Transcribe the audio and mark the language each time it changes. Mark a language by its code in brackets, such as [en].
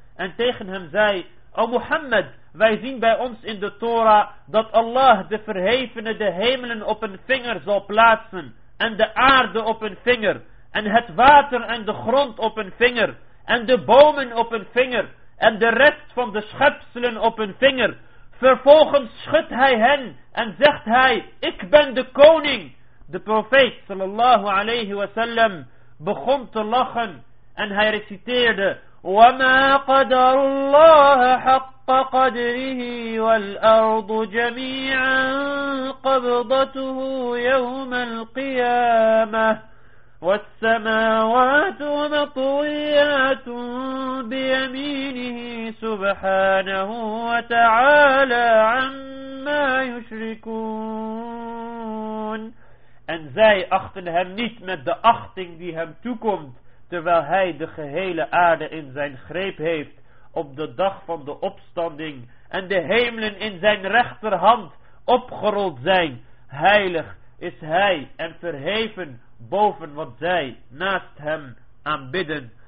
[nl] en tegen hem zei, O Mohammed, wij zien bij ons in de Torah dat Allah de verhevene de hemelen op een vinger zal plaatsen en de aarde op een vinger en het water en de grond op een vinger en de bomen op een vinger en de rest van de schepselen op een vinger. Vervolgens schudt hij hen en zegt hij, ik ben de koning. De profeet sallallahu alayhi wa sallam begon te lachen en hij reciteerde, [ar] وَمَا قَدَرُ اللَّهَ حَقَّ قَدْرِهِ وَالْأَرْضُ جَمِيعًا قَبْضَتُهُ يَوْمَ الْقِيَامَةِ وَالسَّمَاوَاتُ مَطْوِيَّاتٌ بِيَمِينِهِ سُبْحَانَهُ وَتَعَالَى عَمَّا يُشْرِكُونَ. [nl] En zij achten hem niet met de achting die hem toekomt, terwijl hij de gehele aarde in zijn greep heeft, op de dag van de opstanding, en de hemelen in zijn rechterhand opgerold zijn. Heilig is hij en verheven boven wat zij naast hem aanbidden.